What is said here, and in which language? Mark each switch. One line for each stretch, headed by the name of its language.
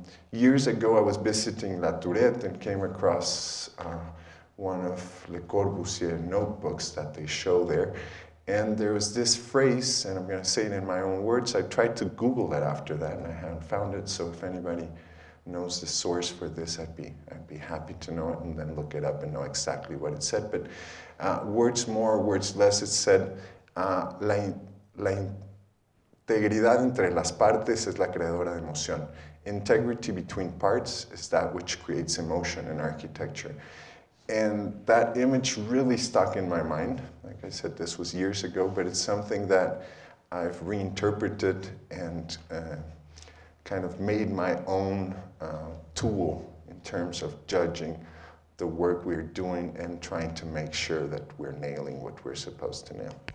English: Years ago, I was visiting La Tourette and came across one of Le Corbusier notebooks that they show there. And there was this phrase, and I'm going to say it in my own words. I tried to Google that after that, and I haven't found it. So if anybody knows the source for this, I'd be happy to know it and then look it up and know exactly what it said. But words more, words less, it said,
Spanish: la integridad entre las partes es la creadora de emoción.
English: Integrity between parts is that which creates emotion in architecture. And that image really stuck in my mind. Like I said, this was years ago, but it's something that I've reinterpreted and kind of made my own tool in terms of judging the work we're doing and trying to make sure that we're nailing what we're supposed to nail.